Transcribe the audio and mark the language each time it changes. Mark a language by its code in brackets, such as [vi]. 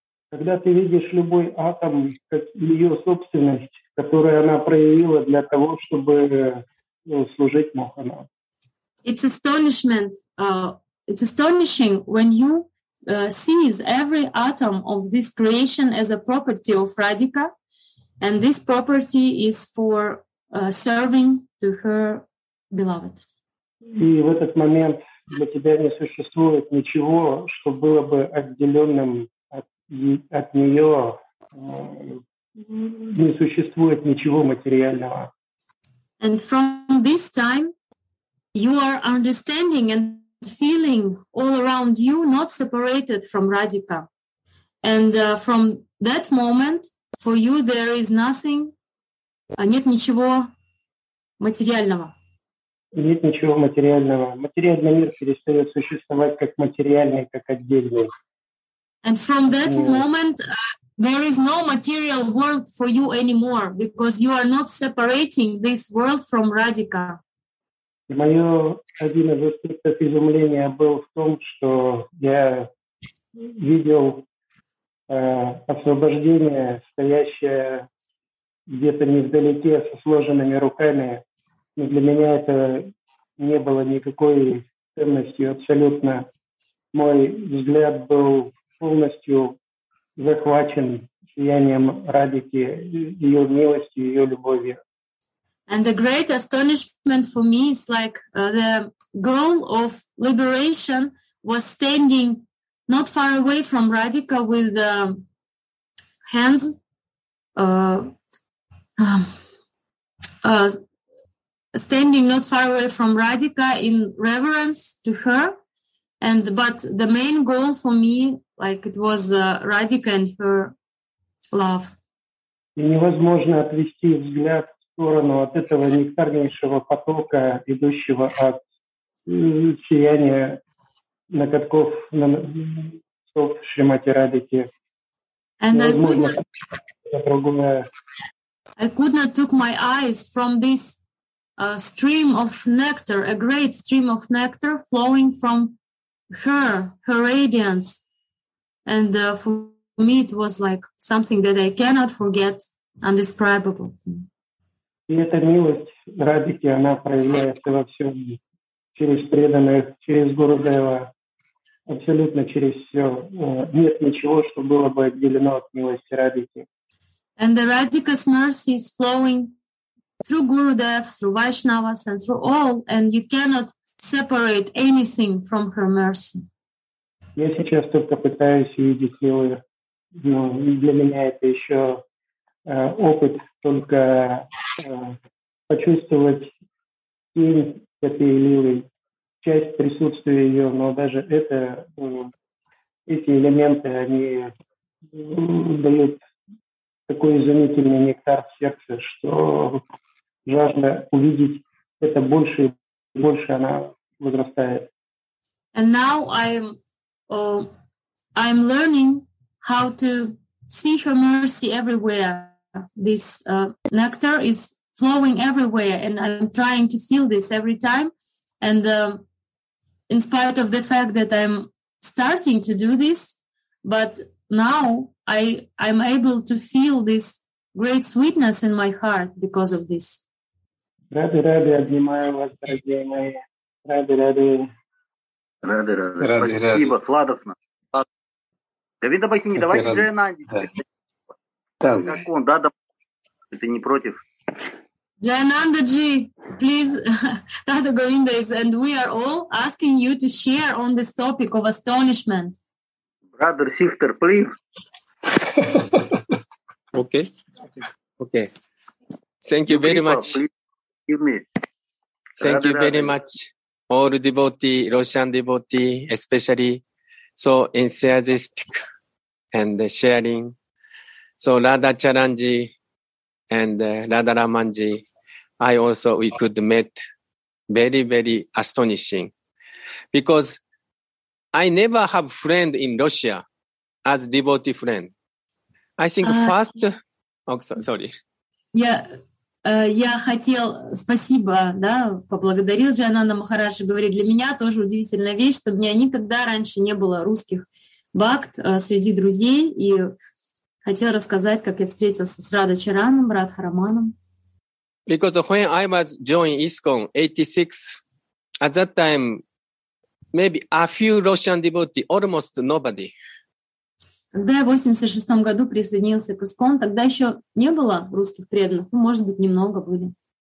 [ru] Когда ты видишь любой атом как ее собственность, которую она проявила для того, чтобы служить Махана. [en] It's astonishment. It's astonishing when you see every atom of this creation as a property of Radhika, and this property is for serving to her beloved. [ru] И в этот момент для тебя не существует ничего, что было бы отделенным. От нее не существует ничего материального. [en] And from this time you are understanding and feeling all around you not separated from Radhika. And from that moment for you there is nothing, [ru] нет ничего материального. Нет ничего материального. Материальный мир перестает существовать как материальный, как отдельный. [en] And from that moment, there is no material world for you anymore because you are not separating this world from Radhika. [ru] Моё один из аспектов изумления был в том, что я видел освобождение, стоящее где-то невдалеке со сложенными руками. Но для меня это не было никакой ценностью абсолютно. Мой взгляд был полностью захвачен сиянием Радики, ее милостью, ее любовью. [en] And the great astonishment for me is like the goal of liberation was standing not far away from Radhika with hands standing not far away from Radhika in reverence to her. And but the main goal for me, like it was Radhika and her love. [ru] И невозможно отвести взгляд в сторону от этого нектарнейшего потока, идущего от сияния на катков на сот Шримати Радики. [en] And I could not took my eyes from this stream of nectar, a great stream of nectar flowing from her radiance, and for me it was like something that I cannot forget, indescribable. [ru] И эта милость Радики, она проявляется во всем, через преданных, через Гурудева, абсолютно через все. Нет ничего, что было бы отделено от милости Радики. [en] And the Radhika's mercy is flowing through Gurudev, through Vaishnavas, and through all, and you cannot separate anything from her mercy. [ru] Я сейчас только пытаюсь видеть силы, но для меня это еще опыт только почувствовать тень этой лилы, часть присутствия ее, но даже это, эти элементы, они дают такой изумительный нектар в сердце, что жажда увидеть это больше и больше, она возрастает. [en] And now I'm learning how to see her mercy everywhere. This nectar is flowing everywhere, and I'm trying to feel this every time. And in spite of the fact that I'm starting to do this, but now I'm able to feel this great sweetness in my heart because of this. [ru] Рады, рады, обнимаю вас, дорогие мои. Рады, рады. Рады, рады. Спасибо, рады. Сладостно. Давид Абахини, давайте же Нанди. Да. Как он, да, это не против. [en] Jayananda ji, please, Tata Govinda is, and we are all asking you to share on this topic of astonishment. Brother, sister, please. Okay. Okay. Thank you very much. Give me. Thank you very much, all devotee, Russian devotee, especially so enthusiastic and sharing. So Radha Charanji and Radha Ramanji, I also, we could meet very, very astonishing. Because I never have friend in Russia as devotee friend. I think first, [ru] Я хотел, спасибо, да, поблагодарил Джайананда Махараджа, говорит, для меня тоже удивительная вещь, что у меня никогда раньше не было русских бхакт среди друзей, и хотел рассказать, как я встретился с Радха Чараном, Радха Раманом. [en] Because when I was joining ISKCON 86, at that time, maybe a few Russian devotees, almost nobody. [ru] Когда я в 86 году присоединился к ИСКОН, тогда еще не было русских преданных, ну, может быть, немного были.